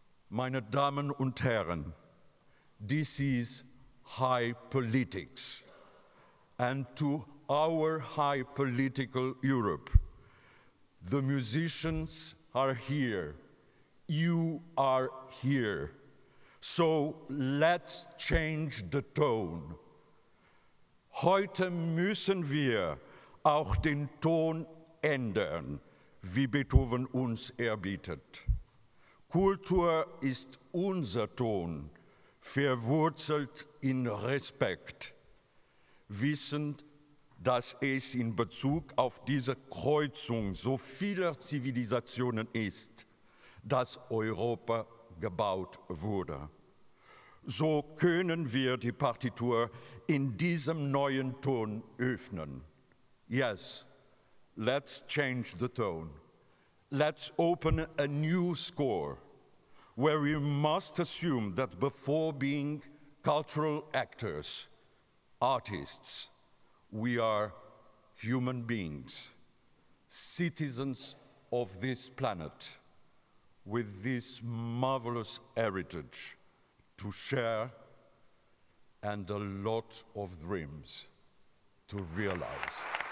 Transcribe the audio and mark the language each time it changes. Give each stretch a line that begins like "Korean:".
German: Meine Damen und Herren,
English: this is high politics. And to our high political Europe, the musicians are here, you are here. So let's change the tone.
German: Heute müssen wir auch den Ton ändern, wie Beethoven uns erbietet. Kultur ist unser Ton, verwurzelt in Respekt. Wissend, dass es in Bezug auf diese Kreuzung so vieler Zivilisationen ist, dass Europa gebaut wurde. So können wir die Partitur in diesem neuen Ton öffnen.
English: Yes, let's change the tone. Let's open a new score, where we must assume that before being cultural actors, artists, we are human beings, citizens of this planet, with this marvelous heritage to share and a lot of dreams to realize.